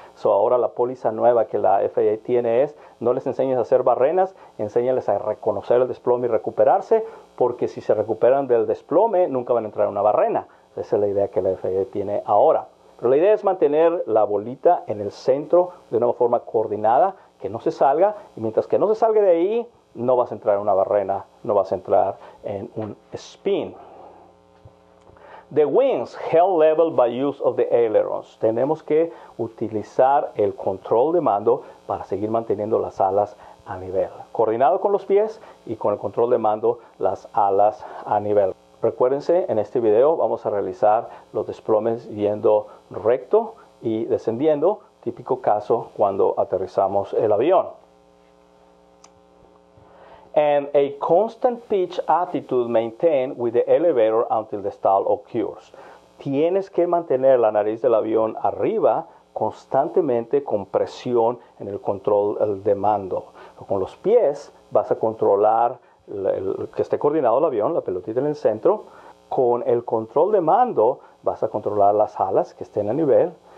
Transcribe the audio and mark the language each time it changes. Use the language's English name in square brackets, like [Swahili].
[Spanish] So, ahora la póliza nueva que la FAA tiene es, no les enseñes a hacer barrenas, enséñales a reconocer el desplome y recuperarse, porque si se recuperan del desplome, nunca van a entrar en una barrena. Esa es la idea que la FAA tiene ahora. Pero la idea es mantener la bolita en el centro de una forma coordinada, que no se salga, y mientras que no se salga de ahí, no vas a entrar en una barrena, no vas a entrar en un spin. [English] the wings, held level by use of the ailerons. [Spanish] Tenemos que utilizar el control de mando para seguir manteniendo las alas a nivel. Coordinado con los pies y con el control de mando, las alas a nivel. Recuérdense, en este video vamos a realizar los desplomes yendo recto y descendiendo, típico caso cuando aterrizamos el avión. [English] And a constant pitch attitude maintained with the elevator until the stall occurs. [Spanish] Tienes que mantener la nariz del avión arriba constantemente con presión en el control de mando. Con los pies vas a controlar que esté coordinado el avión, la pelotita en el centro. Con el control de mando vas a controlar las alas que estén a nivel.